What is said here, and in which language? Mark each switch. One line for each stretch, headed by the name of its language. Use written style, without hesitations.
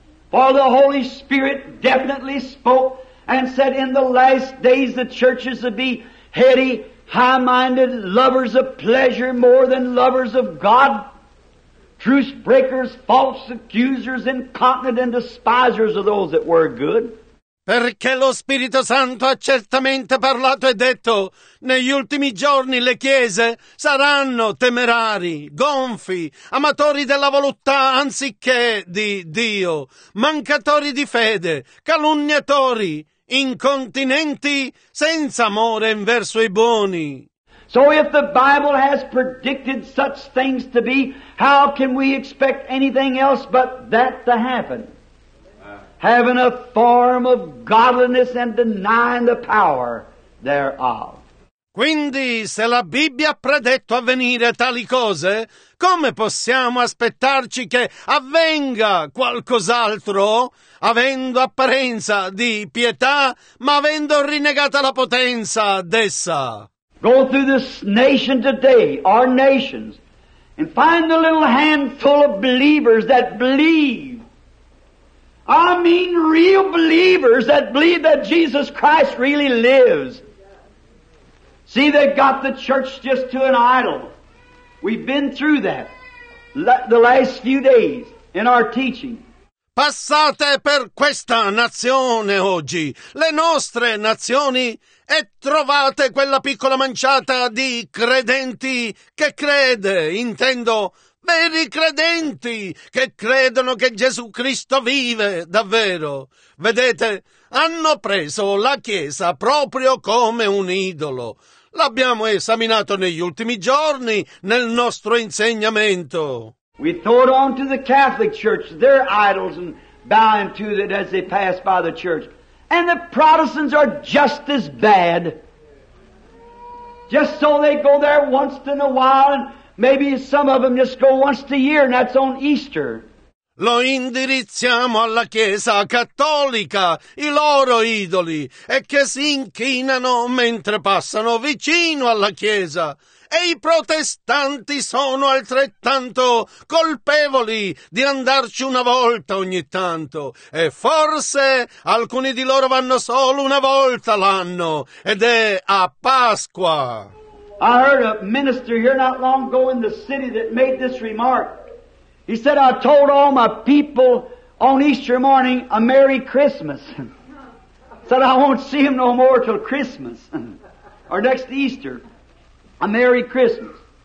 English: For the Holy Spirit definitely spoke and said in the last days the churches would be heady, high-minded, lovers of pleasure more than lovers of God, truce-breakers, false accusers, incontinent, and despisers of those that were good.
Italian: Perché lo Spirito Santo ha certamente parlato e detto, negli ultimi giorni le chiese saranno temerari, gonfi, amatori della voluttà anziché di Dio, mancatori di fede, calunniatori, incontinenti, senza amore verso i buoni.
English: So if the Bible has predicted such things to be, how can we expect anything else but that to happen? Having a form of godliness and denying the power thereof.
Italian: Quindi, se la Bibbia ha predetto avvenire tali cose, come possiamo aspettarci che avvenga qualcos'altro, avendo apparenza di pietà, ma avendo rinnegata la potenza d'essa?
English: Go through this nation today, our nations, and find the little handful of believers that believe. I mean real believers that believe that Jesus Christ really lives. See, they got the church just to an idol. We've been through that the last few days in our teaching.
Italian: Passate per questa nazione oggi, le nostre nazioni, e trovate quella piccola manciata di credenti che crede, intendo, veri credenti che credono che Gesù Cristo vive davvero. Vedete, hanno preso la Chiesa proprio come un idolo. L'abbiamo esaminato negli ultimi giorni nel nostro insegnamento.
English: We throw it on to the Catholic Church, their idols, and bowing to it as they pass by the church. And the Protestants are just as bad. Just so they go there once in a while and maybe some of them just go once a year, and that's on Easter.
Italian: Lo indirizziamo alla Chiesa Cattolica, i loro idoli, e che si inchinano mentre passano vicino alla Chiesa. e i protestanti sono altrettanto colpevoli di andarci una volta ogni tanto, e forse alcuni di loro vanno solo una volta l'anno, ed è a Pasqua.
English: I heard a minister here not long ago in the city that made this remark. He said, I told all my people on Easter morning a Merry Christmas. Said, I won't see him no more till Christmas, or next Easter, a Merry Christmas.